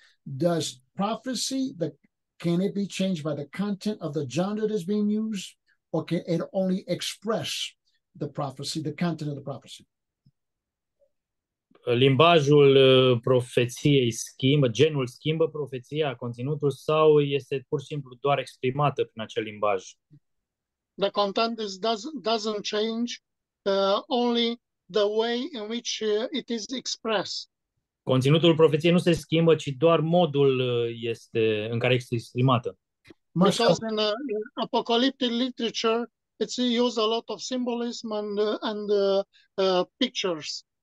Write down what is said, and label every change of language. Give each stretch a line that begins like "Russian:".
English: Does prophecy, can it be changed by the content of the genre that is being used, or can it only express the prophecy, the content of the prophecy?
Romanian: Limbajul profeției schimbă, genul schimbă profeția, conținutul, sau este pur și simplu doar exprimată prin acel limbaj?
English: The content doesn't change, only the way in which it is expressed.
Romanian: Conținutul profeției nu se schimbă, ci doar modul este în care este exprimată.
English: Because in apocalyptic literature, it's used a lot of symbolism and pictures.